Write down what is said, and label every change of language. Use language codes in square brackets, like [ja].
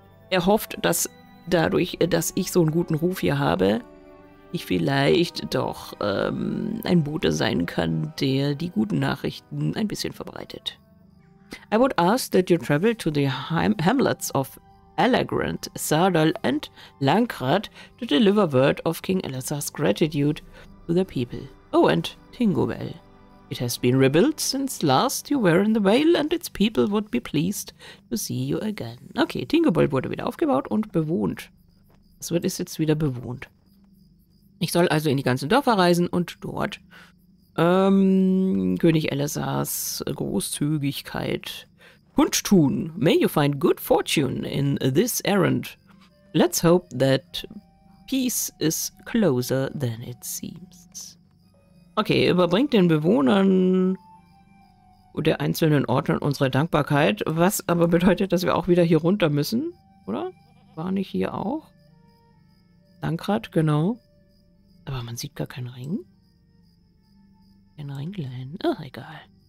[de] Er hofft, dass dadurch, dass ich so einen guten Ruf hier habe, ich vielleicht doch ein Bote sein kann, der die guten Nachrichten ein bisschen verbreitet. [en] I would ask that you travel to the hamlets of Alagrand, Sardal and Lankrad to deliver word of King Alessar's gratitude to the people. Oh, and Tinguvel. It has been rebuilt since last you were in the Vale and its people would be pleased to see you again. [de] Okay, Tinguvel wurde wieder aufgebaut und bewohnt. Es wird jetzt wieder bewohnt. Ich soll also in die ganzen Dörfer reisen und dort König Alessars Großzügigkeit kundtun. [en] May you find good fortune in this errand. Let's hope that peace is closer than it seems. [de] Okay, überbringt den Bewohnern der einzelnen Orte unsere Dankbarkeit, was aber bedeutet, dass wir auch wieder hier runter müssen, oder? War nicht hier auch? Lankrad, genau. Aber man sieht gar keinen Ring. Ein Ringlein. Ach, egal.